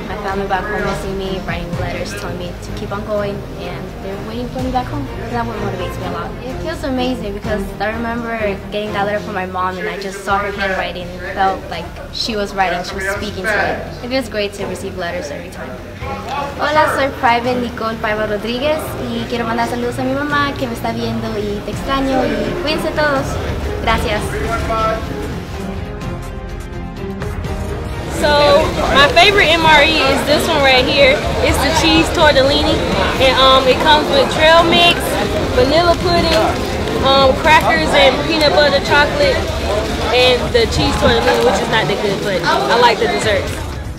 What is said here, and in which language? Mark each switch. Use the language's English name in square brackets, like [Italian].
[English] My family back home missing me, writing letters telling me to keep on going, and they're waiting for me back home. That's what motivates me a lot. It feels amazing, because I remember getting that letter from my mom, and I just saw her handwriting and felt like she was writing, she was speaking to me. It feels great to receive letters every time. [Spanish] Hola, soy Private Nicole Paiva Rodriguez, y quiero mandar saludos a mi mamá que me está viendo y te extraño, y cuídense todos. Gracias. [English] So my favorite MRE is this one right here. It's the cheese tortellini, and it comes with trail mix, vanilla pudding, crackers, and peanut butter chocolate, and the cheese tortellini, which is not that good, but I like the desserts.